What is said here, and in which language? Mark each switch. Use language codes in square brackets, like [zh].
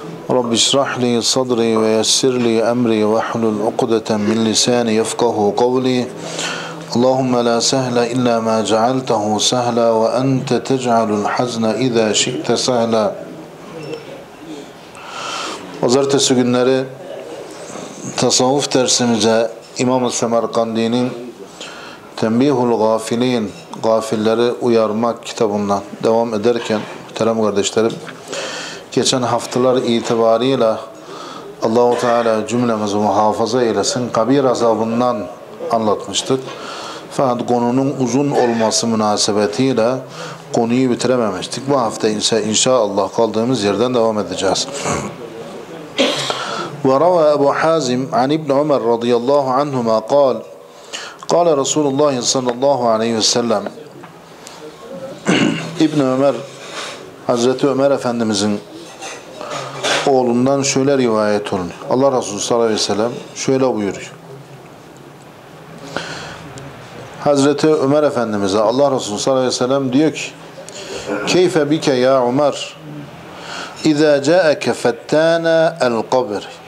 [ar] رب اشرح لي صدري ويسر لي أمري واحلل عقدة من لساني يفقه قولي. اللهم لا سهل إلا ما جعلته سهلا، وأنت تجعل الحزن إذا شئت سهلا. [tr] Pazartesi günleri tasavvuf dersimize İmam-ı Semerkandî'nin Tenbihul Gafilin, Gafilleri Uyarmak kitabından devam ederken muhterem kardeşlerim, geçen haftalar itibariyle Allah-u Teala cümlemizi muhafaza eylesin, kabir azabından anlatmıştık. Fakat konunun uzun olması münasebetiyle konuyu bitirememiştik. Bu hafta ise inşallah kaldığımız yerden devam edeceğiz. [ar] وروى أبو حازم عن ابن عمر رضي الله عنهما قال قال رسول الله صلى الله عليه وسلم ابن عمر [tr] Hazreti Ömer Efendimizin oğlundan şöyle rivayet olunuyor. Allah Resulü sallallahu aleyhi ve sellem şöyle buyuruyor. Hazreti Ömer Efendimiz'e Allah Resulü sallallahu aleyhi ve sellem diyor ki: [ar] "Keyfe bike ya Ömer? İza ca'aka fattana el-kabr."